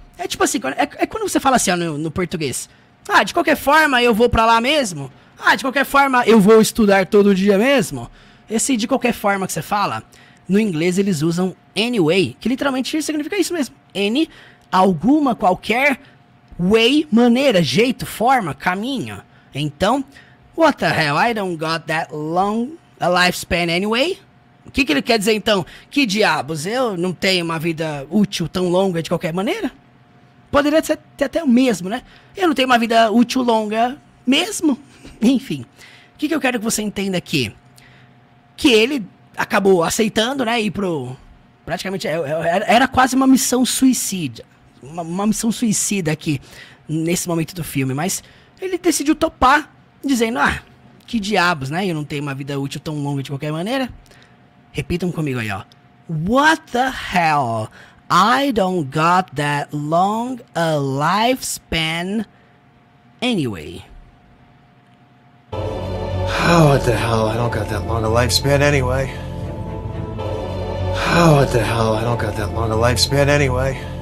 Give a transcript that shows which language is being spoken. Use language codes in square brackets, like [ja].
[pt] É tipo assim, é quando você fala assim ó, no português. Ah, de qualquer forma eu vou pra lá mesmo. Ah, de qualquer forma eu vou estudar todo dia mesmo. Esse de qualquer forma que você fala, no inglês eles usam anyway, que literalmente significa isso mesmo. N, alguma, qualquer, way, maneira, jeito, forma, caminho. [en] Então, what the hell, I don't got that long a lifespan anyway. [pt] O que ele quer dizer então? Que diabos, eu não tenho uma vida útil tão longa de qualquer maneira? Poderia ser até o mesmo, né? Eu não tenho uma vida útil longa mesmo? Enfim, o que eu quero que você entenda aqui? Que ele acabou aceitando, né, ir pro... Praticamente, era quase uma missão suicida. Uma missão suicida aqui, nesse momento do filme. Mas ele decidiu topar, dizendo, ah, que diabos, né? Eu não tenho uma vida útil tão longa de qualquer maneira. Repitam comigo aí, ó. [en] What the hell? I don't got that long a lifespan anyway. Oh, what the hell? I don't got that long a lifespan anyway. Oh, what the hell? I don't got that long a lifespan anyway.